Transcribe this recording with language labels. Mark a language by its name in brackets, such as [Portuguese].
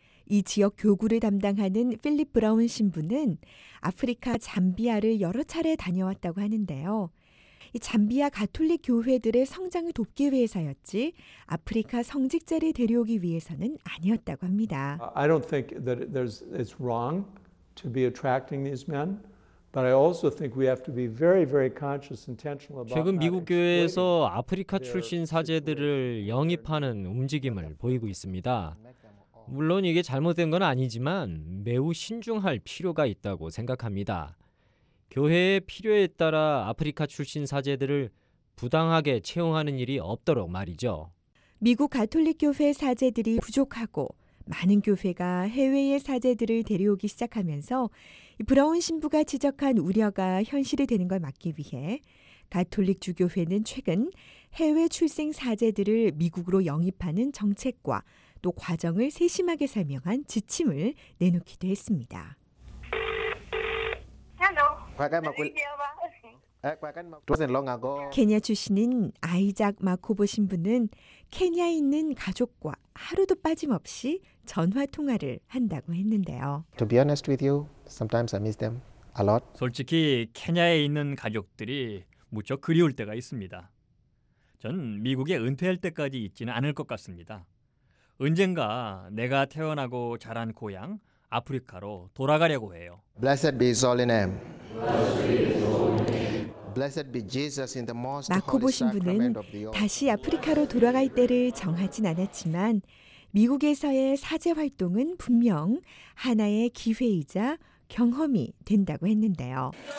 [Korean] 이 지역 교구를 담당하는 필립 브라운 신부는 아프리카 잠비아를 여러 차례 다녀왔다고 하는데요. 이 잠비아 가톨릭 교회들의 성장을 돕기 위해서였지 아프리카 성직자를 데려오기 위해서는 아니었다고 합니다. [English] I don't think that it's wrong to be attracting these men. But I also think we have to be very, very conscious, intentional about. [Korean] 최근 미국 교회에서 아프리카 출신 사제들을 영입하는 움직임을 보이고 있습니다. 물론 이게 잘못된 건 아니지만 매우 신중할 필요가 있다고 생각합니다. 교회의 필요에 따라 아프리카 출신 사제들을 부당하게 채용하는 일이 없도록 말이죠. 미국 가톨릭 교회 사제들이 부족하고. 많은 교회가 해외의 사제들을 데려오기 시작하면서 브라운 신부가 지적한 우려가 현실이 되는 걸 막기 위해 가톨릭 주교회는 최근 해외 출생 사제들을 미국으로 영입하는 정책과 또 과정을 세심하게 설명한 지침을 내놓기도 했습니다. 안녕. 과감하고 케냐 출신인 아이작 마코보 신부는 케냐에 있는 가족과 하루도 빠짐없이 전화 통화를 한다고 했는데요. [English] To be honest with you, sometimes I miss them a lot. [Korean] 솔직히 케냐에 있는 가족들이 무척 그리울 때가 있습니다. 전 미국에 은퇴할 때까지 있지는 않을 것 같습니다. 언젠가 내가 태어나고 자란 고향 아프리카로 돌아가려고 해요. [English] Blessed be His holy name. Blessed be Jesus in the most holy sacrament of the earth. [Korean] 마코보 신부는 다시 아프리카로 돌아갈 때를 정하진 않았지만 미국에서의 사제 활동은 분명 하나의 기회이자 경험이 된다고 했는데요.